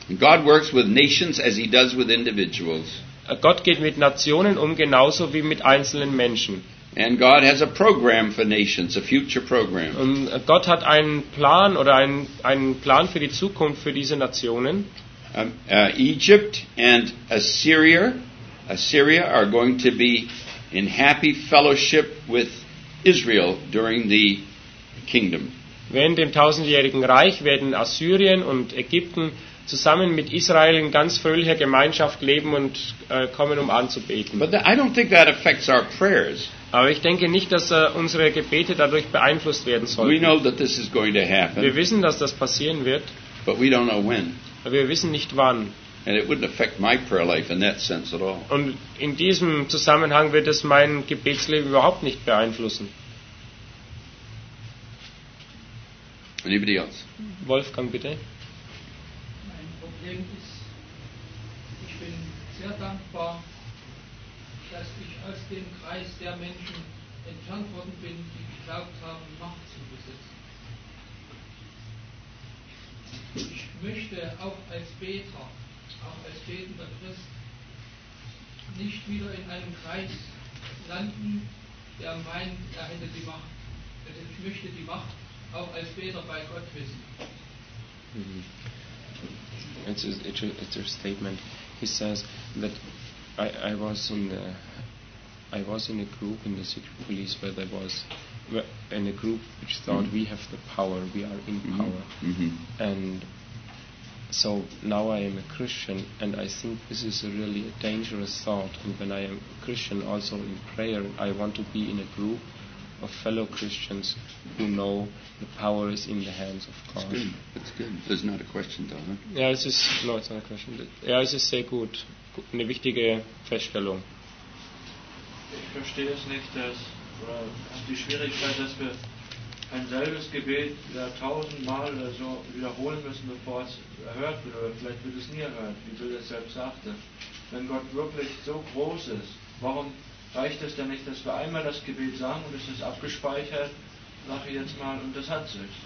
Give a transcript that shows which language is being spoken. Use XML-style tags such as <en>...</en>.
<en>God works with nations as he does with individuals.</en> <de>Gott geht mit Nationen um genauso wie mit einzelnen Menschen.</de> <en>And God has a program for nations, a future program.</en> <de>Und Gott hat einen Plan oder einen Plan für die Zukunft für diese Nationen.</de> <en>Egypt and Assyria are going to be in happy fellowship with Israel during the kingdom.</en> <de>Während dem tausendjährigen Reich werden Assyrien und Ägypten zusammen mit Israel in ganz fröhlicher Gemeinschaft leben und kommen, um anzubeten.</de> <en>But I don't think that affects our prayers.</en> <de>Aber ich denke nicht, dass unsere Gebete dadurch beeinflusst werden sollen.</de> <en>We know that this is going to happen.</en> <de>Wir wissen, dass das passieren wird.</de> <en>But we don't know when.</en> <de>Aber wir wissen nicht wann.</de> <en>And it wouldn't affect my prayer life in that sense at all.</en> <de>Und in diesem Zusammenhang wird es mein Gebetsleben überhaupt nicht beeinflussen.</de> <en>Anybody else?</en> <de>Wolfgang, bitte. Mein Problem ist, ich bin sehr dankbar, dass ich aus dem Kreis der Menschen entfernt worden bin, die geglaubt haben, Macht zu besitzen. Ich möchte auch als Beter, auch als betender Christ, nicht wieder in einem Kreis landen, der meint, er hätte die Macht. Also ich möchte die Macht auch als Beter bei Gott wissen.</de> <en>Mm-hmm. It's a statement. He says that I was in a group in the secret police where there was in a group which thought mm-hmm. we have the power, we are in mm-hmm. power, mm-hmm. and so now I am a Christian, and I think this is a really dangerous thought. And when I am a Christian, also in prayer, I want to be in a group of fellow Christians who know the power is in the hands of God. That's good. That's good. There's not a question, though, huh? Yeah, this is no, it's not a question. Yeah, this is</en> <de>sehr gut. Eine wichtige Feststellung. Ich verstehe es nicht, dass die Schwierigkeit, dass wir ein selbes Gebet ja, tausendmal oder so wiederholen müssen, bevor es erhört wird, oder vielleicht wird es nie erhört, wie Bill es selbst sagte. Wenn Gott wirklich so groß ist, warum reicht es denn nicht, dass wir einmal das Gebet sagen und es ist abgespeichert, sage ich jetzt mal, und das hat sich.</de>